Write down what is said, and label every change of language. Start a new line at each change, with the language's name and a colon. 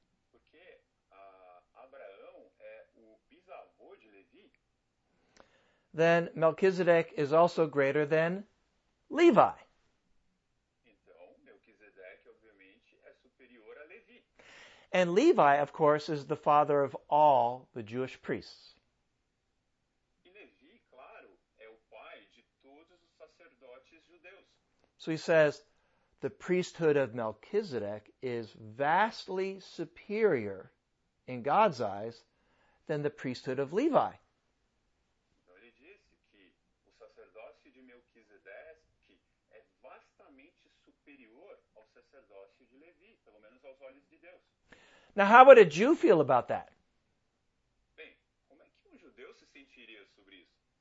Portuguese: Porque, Abraão é o bisavô de Levi.
English: Then Melchizedek is also greater than Levi.
Portuguese: Então, Melchizedek, obviamente, é superior a Levi.
English: And Levi, of course, is the father of all the Jewish priests.
Portuguese: E Levi, claro, é o pai de todos os sacerdotes judeus.
English: So he says, the priesthood of Melchizedek is vastly superior in God's eyes than the priesthood of Levi.
Portuguese: Então ele disse que o sacerdócio de Melchizedek é vastamente superior ao sacerdócio de Levi, pelo menos aos olhos de Deus.
English: Now, how would a Jew feel about that?
Portuguese: Bem, como é que um judeu se sentiria sobre isso?